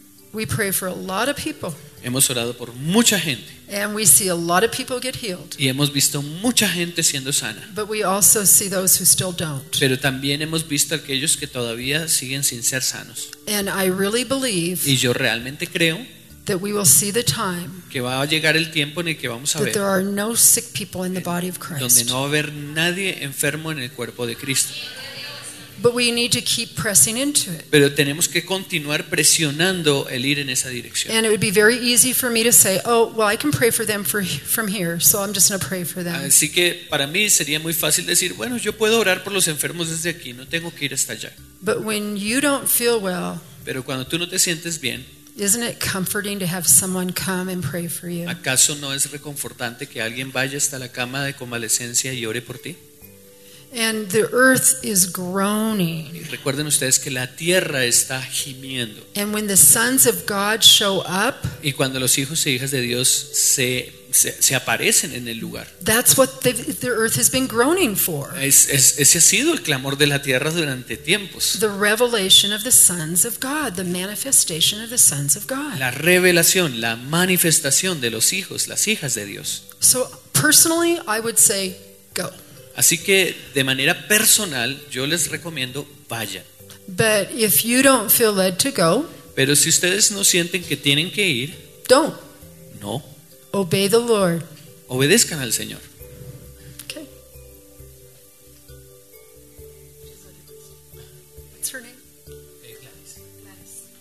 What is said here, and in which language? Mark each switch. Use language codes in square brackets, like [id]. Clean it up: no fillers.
[en] We pray for a lot of people. [es] Hemos orado por mucha gente. [en] And we see a lot of people get healed. [es] Y hemos visto mucha gente siendo sana. [en] But we also see those who still don't. [es] Pero también hemos visto aquellos que todavía siguen sin ser sanos. [en] And I really believe. [es] Y yo realmente creo. [en] That we will see the time. [es] Que va a llegar el tiempo en el que vamos a ver. [en] That there are no sick people in the body of Christ. [es] Donde no va a haber nadie enfermo en el cuerpo de Cristo. [en] But we need to keep pressing into it. [es] Pero tenemos que continuar presionando el ir en esa dirección. [en] And it would be very easy for me to say, "Oh, well, I can pray for them from here, so I'm just going to pray for them." [es] Así que para mí sería muy fácil decir, "Bueno, yo puedo orar por los enfermos desde aquí, no tengo que ir hasta allá." [en] But when you don't feel well, [es] pero cuando tú no te sientes bien, [en] isn't it comforting to have someone come and pray for you? [es] ¿Acaso no es reconfortante que alguien vaya hasta la cama de convalecencia y ore por ti? [en] And the earth is groaning. [es] Y recuerden ustedes que la tierra está gimiendo. [en] And when the sons of God show up, [es] y cuando los hijos e hijas de Dios se aparecen en el lugar. [en] That's what the earth has been groaning for. [es] Ese ha sido el clamor de la tierra durante tiempos. [en] The revelation of the sons of God, the manifestation of the sons of God. [es] La revelación, la manifestación de los hijos, las hijas de Dios. [en] So personally, I would say, go. [es] Así que de manera personal yo les recomiendo vayan. [en] But if you don't feel led to go, [es] pero si ustedes no sienten que tienen que ir, [en] don't. [es] No. [en] Obey the Lord. [es] Obedezcan al Señor. [en] Okay. What's her name? Gladys. Gladys.